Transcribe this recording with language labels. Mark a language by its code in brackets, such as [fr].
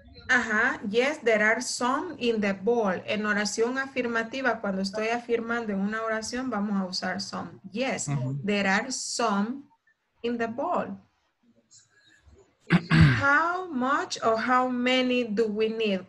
[en] Ajá, yes, there are some in the bowl. [es] En oración afirmativa, cuando estoy afirmando en una oración, vamos a usar some. [en] Yes, there are some in the bowl. How much or how many do we need?